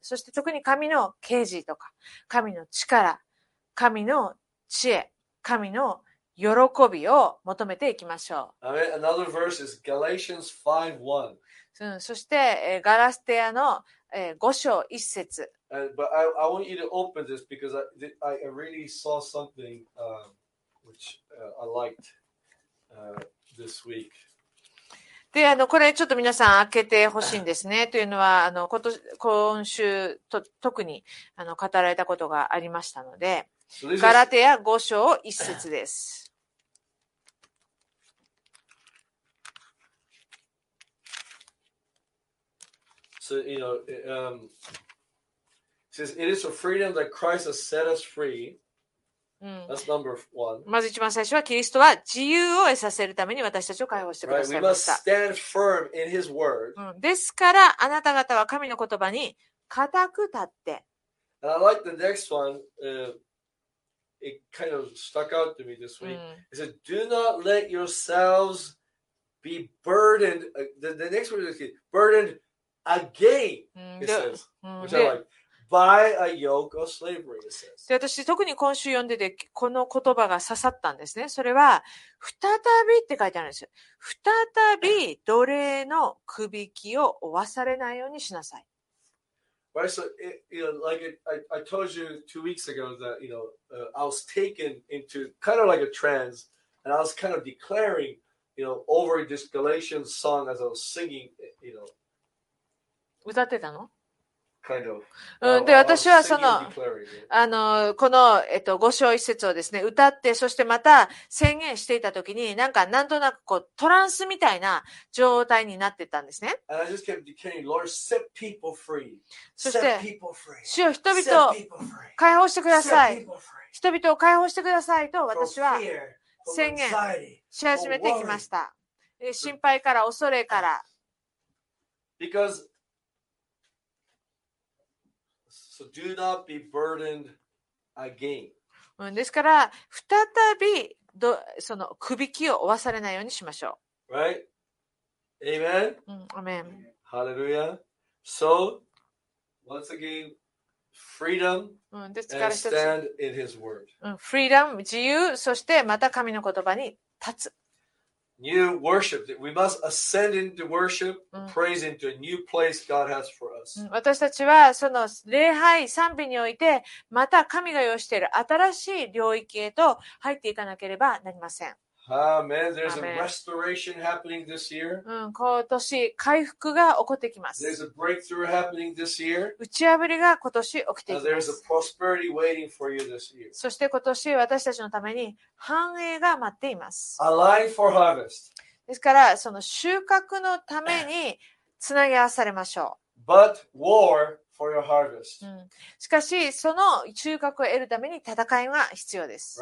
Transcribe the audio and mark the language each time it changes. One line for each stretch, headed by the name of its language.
Japanese: そして特に神の啓示とか、神の力、神の知恵、神の喜びを求めていきましょう。
English: Another verse is Galatians 5:1.
Japanese: そして、ガラステヤの五章一節。
English: But I want you to open this because I really saw something which I liked this week.
Japanese: で、これちょっと皆さん開けてほしいんですね。というのは、今週と特に語られたことがありましたので、ガラテヤ五章一節です。
English: So, you know, it says, it is for freedom that Christ has set us free. That's number one.
Japanese: まず一番最初は、キリストは自由を得させるために私たちを解放してくださいました。
English: Right. We must stand firm in his word.
Japanese: ですから、あなた方は神の言葉に固く立って。
English: And I like the next one. It kind of stuck out to me this week. It says, do not let yourselves be burdened. The next one is burdened. Again, he says, which I like, by a yoke of slavery, he says.
Japanese: で、私特に今週読んでてこの言葉が刺さったんですね。それは再びって書いてあるんですよ。再び奴隷の首輝きを負わされないようにしなさい。
English: Right, so I told you 2 weeks ago that you know I was taken into kind of like a trance, and I was kind of declaring, you know, over this Galatian song as I was singing, you know.
Japanese: 歌ってたの
English: kind of.
Japanese: で、私はその、この、五章一節をですね、歌って、そしてまた宣言していたときに、なんか、なんとなく、こう、トランスみたいな状態になってたんですね。
English: And I just kept declaring, Lord, set people free.
Japanese: そして、主よ、人々を解放してください。人々を解放してくださいと、私は宣言し始めてきました。心配から、恐れから。
English: Because,So do not be burdened again.
Japanese: ですから再びその首輝きを負わされないようにしましょう。
English: Right? Amen. Amen. Hallelujah. So once again, freedom and stand in His word.
Japanese: Freedom, 自由、そしてまた神の言葉に立つ。
English: New worship. We must ascend into worship, praise into a new place God has for us.
Japanese: 私たちはその礼拝賛美において、また神が用意している新しい領域へと入っていかなければなりません。
English: Amen. There's a restoration happening this year.
Japanese: 今年回復が起こってきます。
English: There's a breakthrough happening this year.
Japanese: 打ち破りが今年起きてきます。
English: There's a prosperity waiting for you this year.
Japanese: そして今年私たちのために繁栄が待っています。
English: Align for harvest.
Japanese: ですからその収穫のためにつなぎ合わされましょう。
English: But war for your harvest.
Japanese: しかしその収穫を得るために戦いが必要です。